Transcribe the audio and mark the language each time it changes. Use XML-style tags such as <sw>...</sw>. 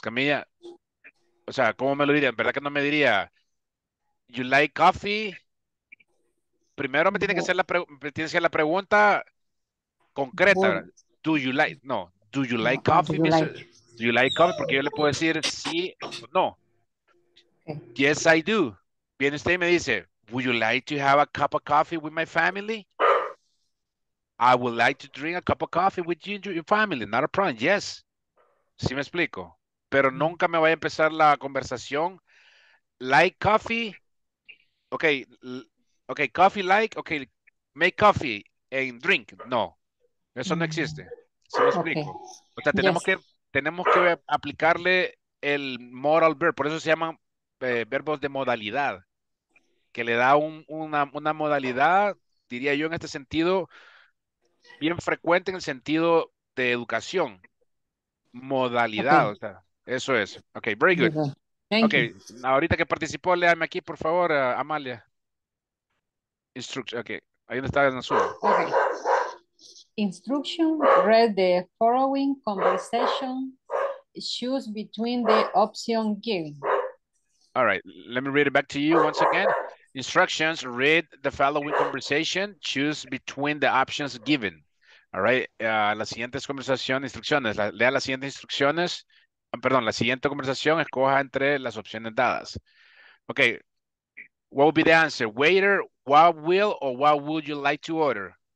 <es>Camilla? O sea, ¿cómo me lo diría? ¿Verdad que no me diría?</es> <en>¿You like coffee?</en> <es>Primero me tiene que hacer la pregunta concreta.</es> <en>¿Do you like? No. Do you like coffee, Mr.? Do you like coffee?</en> <es>Porque yo le puedo decir sí o no.</es> <en>Okay. Yes, I do.</en> <es>Viene usted y me dice,</es> <en>would you like to have a cup of coffee with my family? I would like to drink a cup of coffee with you and your family. Not a problem. Yes.</en> <es>¿Sí me explico? Pero nunca me vaya a empezar la conversación.</es> <en>Like coffee? Okay. Okay, coffee like? Okay, make coffee and drink.</en> <es>No. Eso no existe. ¿Sí me explico? Okay. O sea, tenemos que aplicarle el modal verb. Por eso se llaman verbos de modalidad. Que le da una modalidad, diría yo, en este sentido, bien frecuente en el sentido de educación. Modalidad. Okay. O sea, eso es.</es> <en>Ok, very good. Thank you.</en> <es>Ahorita que participó, léame aquí, por favor, Amalia. Instruction. Ok. Ahí donde está en azul.</es> <en>Ok. Instruction, read the following conversation, choose between the option given. All right, let me read it back to you once again. Instructions, read the following conversation, choose between the options given. All right,</en> <es>las siguientes conversaciones, instrucciones, lea las siguientes instrucciones, perdón, la siguiente conversación, escoja entre las opciones dadas.</es> <en>Okay, what would be the answer? Waiter, what will or what would you like to order?</en>